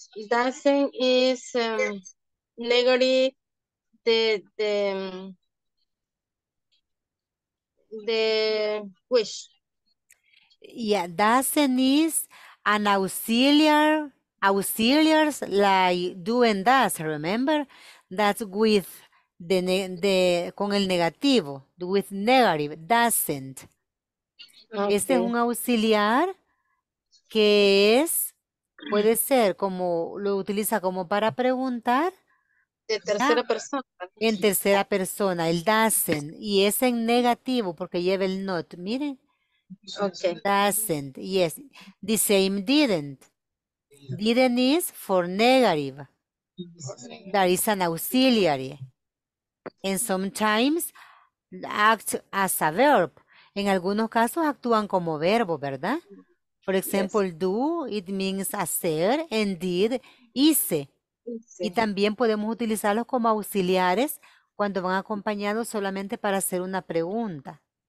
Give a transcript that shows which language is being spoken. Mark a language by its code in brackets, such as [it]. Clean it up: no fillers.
[en] Doesn't is negative the wish. Yeah, doesn't is an auxiliary like do and does, remember? That's with the [es] con el negativo, [en] with negative, doesn't. Okay. [es] Este es un auxiliar que es, puede ser como, lo utiliza como para preguntar. En tercera persona. En tercera persona, el doesn't. Y es en negativo porque lleva el not, miren. [en] Okay. Doesn't, yes. The same didn't. Didn't is for negative. That is an auxiliary. And sometimes act as a verb. [es] En algunos casos actúan como verbo, ¿verdad? [en] For example, yes. Do, it means hacer, and did, hice. [es] Y también podemos utilizarlos como auxiliares cuando van acompañados solamente para hacer una pregunta.